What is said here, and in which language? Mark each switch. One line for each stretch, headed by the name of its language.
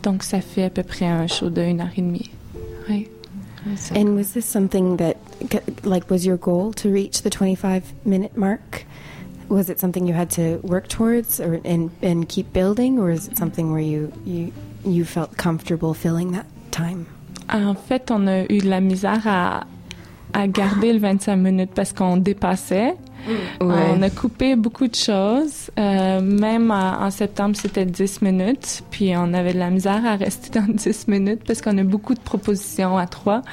French: Donc, ça fait à peu près un show d'une heure et demie. Oui.
English: And was this something that, like, was your goal to reach the 25-minute mark? Was it something you had to work towards or and keep building, or is it something where you felt comfortable filling that time?
French: En fait, on a eu de la misère à garder le 25 minutes parce qu'on dépassait. Ouais. On a coupé beaucoup de choses. Même en septembre, c'était 10 minutes. Puis on avait de la misère à rester dans 10 minutes parce qu'on a beaucoup de propositions à trois.